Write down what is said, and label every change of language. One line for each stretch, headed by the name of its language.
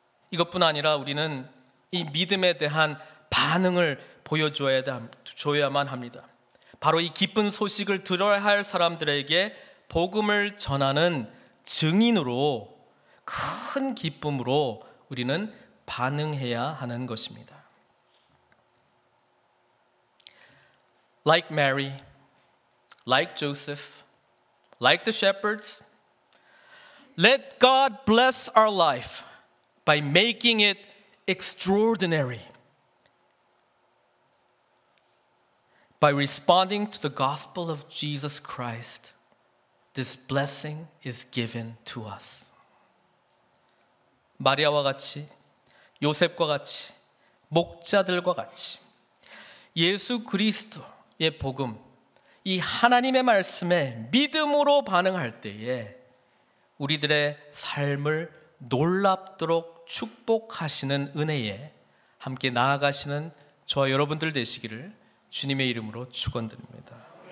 Korean: 이것뿐 아니라 우리는 이 믿음에 대한 반응을 보여줘야만 합니다. 바로 이 기쁜 소식을 들어야 할 사람들에게 복음을 전하는 증인으로 큰 기쁨으로 우리는 반응해야 하는 것입니다.
English: Like Mary, like Joseph, like the shepherds, let God bless our life by making it extraordinary. By responding to the gospel of Jesus Christ, this blessing is given to us.
Korean: 마리아와 같이, 요셉과 같이, 목자들과 같이, 예수 그리스도의 복음, 이 하나님의 말씀에 믿음으로 반응할 때에 우리들의 삶을 놀랍도록 축복하시는 은혜에 함께 나아가시는 저와 여러분들 되시기를 주님의 이름으로 축원드립니다.